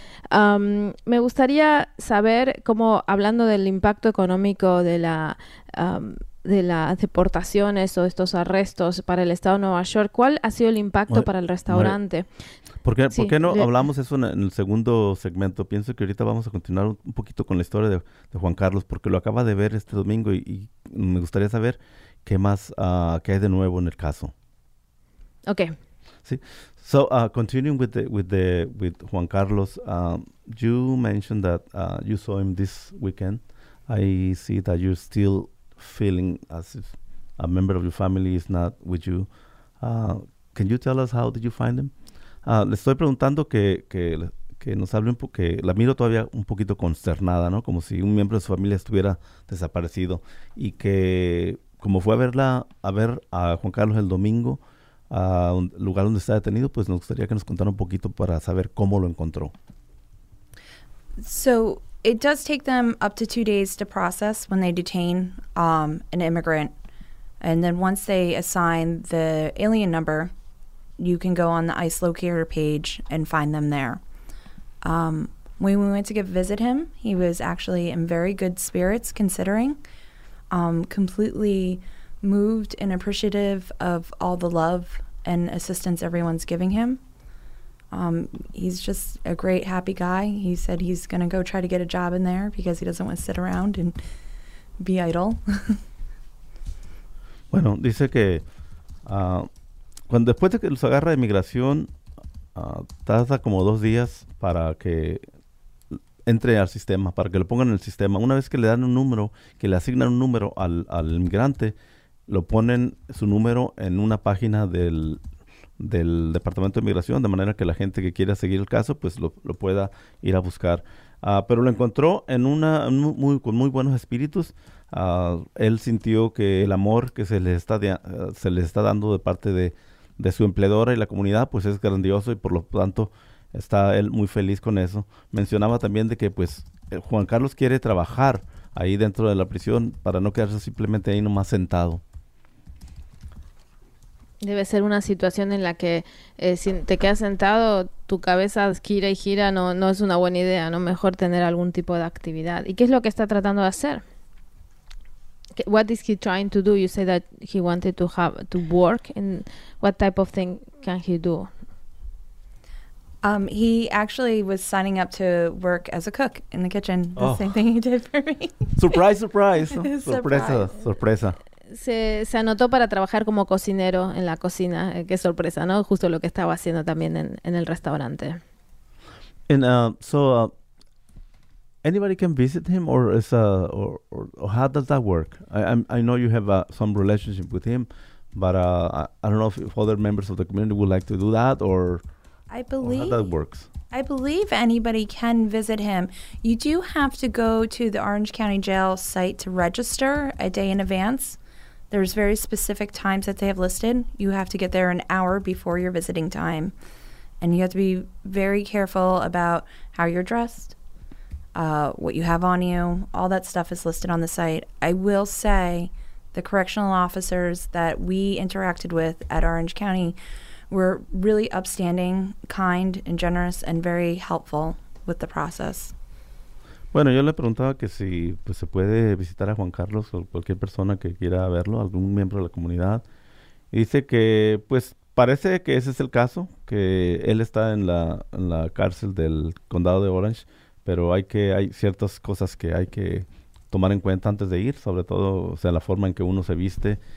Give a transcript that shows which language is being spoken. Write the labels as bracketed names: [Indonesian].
[Spanish] Me gustaría saber cómo, hablando del impacto económico de la de las deportaciones o de estos arrestos para el estado de Nueva York, ¿cuál ha sido el impacto para el restaurante? ¿Por qué no hablamos eso en el segundo segmento? Pienso que ahorita vamos a continuar un poquito con la historia de Juan Carlos, porque lo acaba de ver este domingo y me gustaría saber qué más, qué hay de nuevo en el caso. Ok. Sí. [English] So, continuing with Juan Carlos, you mentioned that you saw him this weekend. I see that you're still feeling as if a member of your family is not with you. Can you tell us how did you find him? [Spanish] Le estoy preguntando que nos hable un poco, que la miro todavía un poquito consternada, ¿no? Como si un miembro de su familia estuviera desaparecido. Y que como fue a ver a Juan Carlos el domingo, a un lugar donde está detenido, pues nos gustaría que nos contara un poquito para saber cómo lo encontró. [English] So, it does take them up to 2 days to process when they detain an immigrant. And then once they assign the alien number, you can go on the ICE locator page and find them there. When we went to go visit him, he was actually in very good spirits considering, completely moved and appreciative of all the love and assistance everyone's giving him. He's just a great, happy guy. He said he's going to go try to get a job in there because he doesn't want to sit around and be idle. [Spanish] Bueno, dice que cuando después de que los agarra de migración, tarda como 2 días para que entre al sistema, para que lo pongan en el sistema. Una vez que le dan un número, que le asignan un número al inmigrante, lo ponen su número en una página del Departamento de Migración, de manera que la gente que quiera seguir el caso, pues lo pueda ir a buscar. Pero lo encontró en con muy buenos espíritus. Él sintió que el amor que se le está dando de parte de su empleadora y la comunidad, pues es grandioso y por lo tanto está él muy feliz con eso. Mencionaba también de que pues Juan Carlos quiere trabajar ahí dentro de la prisión para no quedarse simplemente ahí nomás sentado. Debe ser una situación en la que si te quedas sentado, tu cabeza gira y gira, no es una buena idea, ¿no? Mejor tener algún tipo de actividad. ¿Y qué es lo que está tratando de hacer? [English] What is he trying to do? You say that he wanted to work. And what type of thing can he do? He actually was signing up to work as a cook in the kitchen. The same thing he did for me. Surprise, surprise. [Spanish] Sorpresa, sorpresa. Se anotó para trabajar como cocinero en la cocina. Qué sorpresa, ¿no? Justo lo que estaba haciendo también en el restaurante. [English] So, anybody can visit him, or is or how does that work? I know you have some relationship with him, but I don't know if other members of the community would like to do that, or I believe or how that works. I believe anybody can visit him. You do have to go to the Orange County Jail site to register a day in advance. There's very specific times that they have listed. You have to get there an hour before your visiting time, and you have to be very careful about how you're dressed, what you have on you. All that stuff is listed on the site. I will say the correctional officers that we interacted with at Orange County were really upstanding, kind, and generous, and very helpful with the process. [Spanish] Bueno, yo le preguntaba que si pues, se puede visitar a Juan Carlos o cualquier persona que quiera verlo, algún miembro de la comunidad. Y dice que pues parece que ese es el caso, que él está en la cárcel del condado de Orange, pero hay ciertas cosas que hay que tomar en cuenta antes de ir, sobre todo, o sea, la forma en que uno se viste.